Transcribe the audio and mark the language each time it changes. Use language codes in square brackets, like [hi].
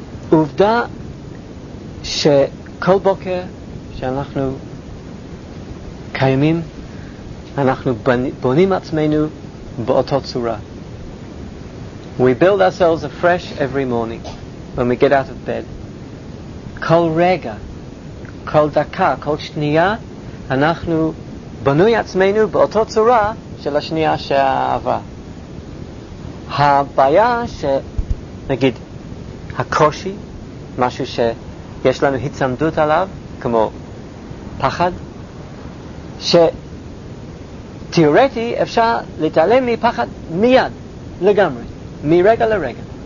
[he] העובדה שכל בוקר שאנחנו קיימים, אנחנו בונים עצמנו באותו צורה. [en] We build ourselves afresh every morning when we get out of bed. [he] כל רגע, כל דקה, כל שנייה, אנחנו בנוי עצמנו באותו צורה של השנייה שעברה. הבעיה ש... נגיד, הקושי, משהו שיש לנו הצמדות עליו, כמו פחד, שתיאורטי אפשר להתעלם מפחד מיד, לגמרי, מרגע לרגע.